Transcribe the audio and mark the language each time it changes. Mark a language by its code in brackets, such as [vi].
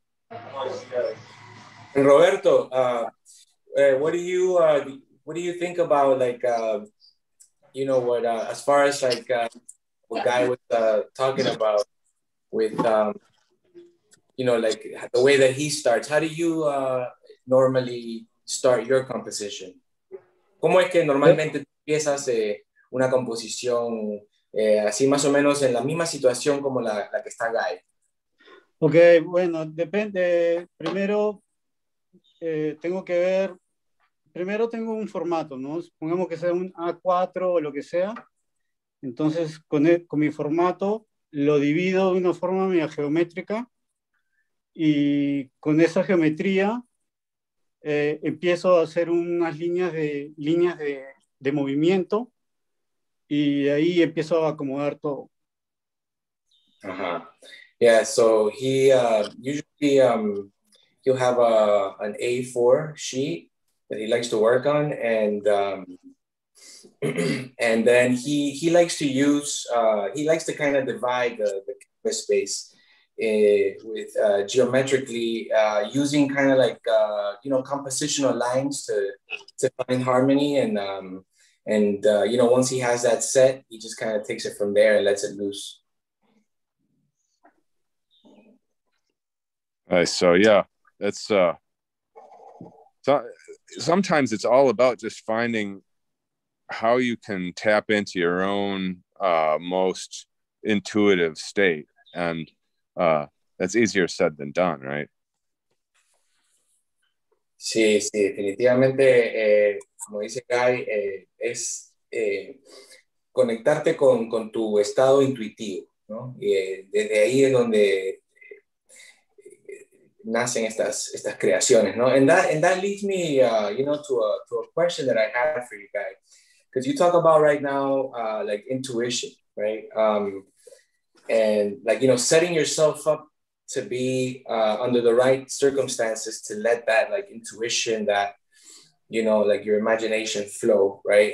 [en] And Roberto, what do you think about, like, you know, what as far as like what Guy was talking about with, you know, like the way that he starts, how do you normally start your composition? [es] ¿Cómo es que normalmente empiezas una composición así más o menos en la misma situación como la que está Guy? Ok, bueno, depende. Primero, tengo que ver. Primero tengo un formato, ¿no? Supongamos que sea un A4 o lo que sea. Entonces, con mi formato, lo divido de una forma media geométrica. Y con esa geometría, empiezo a hacer unas líneas de movimiento. Y ahí empiezo a acomodar todo. Ajá. [en] Yeah, so he usually he'll have an A4 sheet that he likes to work on, and and then he likes to use he likes to kind of divide the canvas space with geometrically using kind of like you know, compositional lines to find harmony, and you know, once he has that set, he just kind of takes it from there and lets it loose. Nice. So yeah, that's sometimes it's all about just finding how you can tap into your own most intuitive state, and that's easier said than done, right? [es] Sí, sí, definitivamente, como dice Guy, es conectarte con tu estado intuitivo, ¿no? Y desde ahí es donde nacen estas creaciones, ¿no? [en] And that leads me, you know, to a question that I have for you guys, because you talk about right now, like intuition, right? And like, you know, setting yourself up to be under the right circumstances to let that like intuition, that, you know, like your imagination flow, right?